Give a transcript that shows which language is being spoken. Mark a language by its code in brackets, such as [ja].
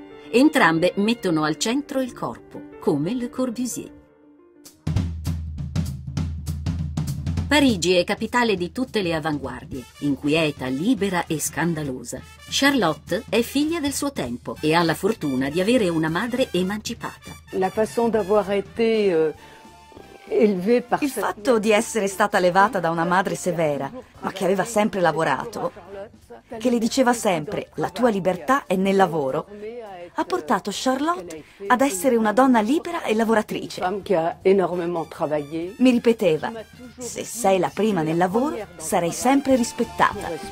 [it] Entrambe mettono al centro il corpo, come Le Corbusier. Parigi è capitale di tutte le avanguardie, inquieta, libera e scandalosa. Charlotte è figlia del suo tempo e ha la fortuna di avere una madre emancipata. [fr] La façon d'avoir été élevée par... [it] Il fatto di essere stata allevata da una madre severa, ma che aveva sempre lavorato, che le diceva sempre «la tua libertà è nel lavoro», ha portato Charlotte ad essere una donna libera e lavoratrice. Mi ripeteva, se sei la prima nel lavoro, sarai sempre rispettata.